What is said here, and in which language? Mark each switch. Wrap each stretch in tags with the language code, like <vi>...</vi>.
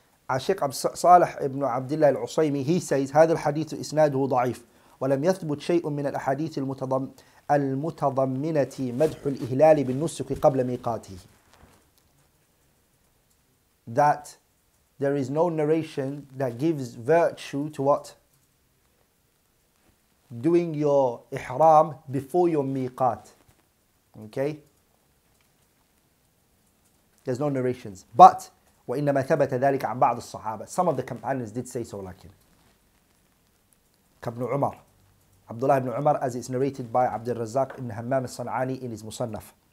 <ar>عشيق صالح ابن عبد الله العصيمي,</ar> <en>he says</en> <ar>هذا الحديث إسناده ضعيف ولم يثبت شيء من الأحاديث المتضمنة مدح الإهلال بالنسك قبل ميقاته.</ar> <en>That there is no narration that gives virtue to what? Doing your إحرام before your ميقات. Okay? There's no narrations. But</en> <ar>وإنما ثبت ذلك عن بعض الصحابة.</ar> <en>Some of the companions did say so,</en> <ar>لكن كابن عمر,</ar> <en>Abdullah ibn Umar, as it's narrated by Abdul Razak ibn Hammam al-San'ani in his Musannaf.</en>